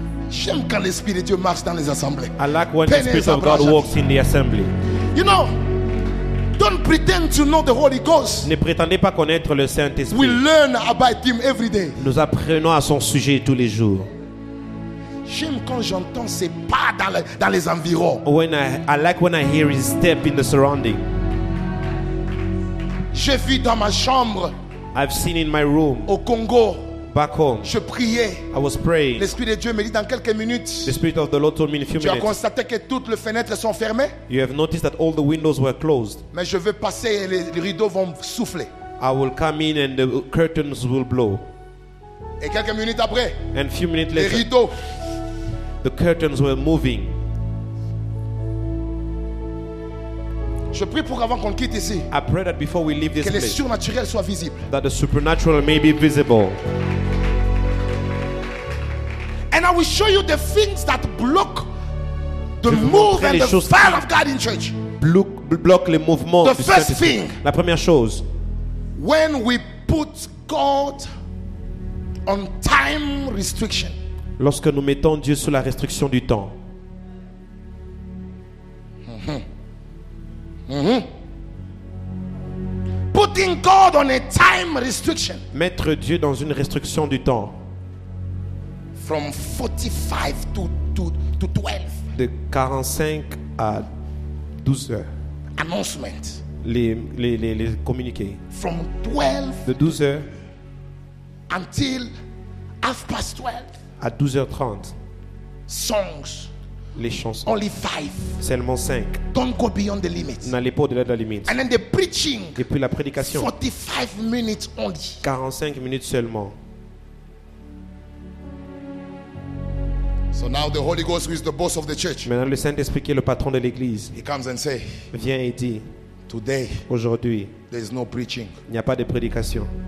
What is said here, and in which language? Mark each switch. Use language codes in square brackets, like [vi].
[fr] J'aime quand l'Esprit de Dieu marche dans les assemblées. [en] I like when the Spirit of God walks in the assembly. You know, don't pretend to know the Holy Ghost. [fr] Ne prétendez pas connaître le Saint-Esprit. [en] We learn about him every day. [fr] Nous apprenons à son sujet tous les jours. J'aime quand j'entends ses pas dans les environs. [en] When I like when I hear his step in the surrounding. [fr] J'ai vu dans ma chambre. [en] I've seen in my room. [fr] Au Congo. [en] Back home. [fr] Je priais. [en] I was praying. [fr] L'Esprit de Dieu me dit dans quelques minutes. [en] The Spirit of the Lord told me in a few minutes. [fr] Tu as constaté que toutes les fenêtres sont fermées. [en] You have noticed that all the windows were closed. [fr] Mais je veux passer et les rideaux vont souffler. [en] I will come in and the curtains will blow. [fr] Et quelques minutes après, [en] and a few minutes [fr] les [en] later, [fr] rideaux, [en] the curtains were moving. [fr] Je prie pour avant qu'on quitte ici. [en] I pray that before we leave this [fr] que [en] place, [fr] le surnaturel soit visible. [en] That the supernatural may be visible. And I will show you the things that block the move and the fire of God in church. [fr] Block le mouvement. [en] The first thing. [fr] La première chose. [en] When we put God on time restriction. [fr] Lorsque nous mettons Dieu sous la restriction du temps. [en] Putting God on a time restriction. [fr] Mettre Dieu dans une restriction du temps. [en] From 45 to 12. [fr] De 45 à 12 heures. [en] Announcement. [fr] Les communiqués. [en] From 12. [fr] De 12 heures. [en] Until half past 12. [fr] À 12h30. [en] Songs. [fr] Les chansons. [en] Only 5. [fr] Seulement 5. [en] Don't go beyond the limit. [fr] N'allez pas au-delà de la limite. [en] And then the preaching. [fr] Et puis la prédication. [en] 45 minutes only. [fr] 45 minutes seulement. [en] So now the Holy Ghost, who is the boss of the church. [fr] Maintenant le Saint-Esprit qui est le patron de l'église. [en] He comes and say. [fr] Vient et dit. [en] Today. [fr] Aujourd'hui. [en] There is no preaching. [fr] Il n'y a pas de prédication.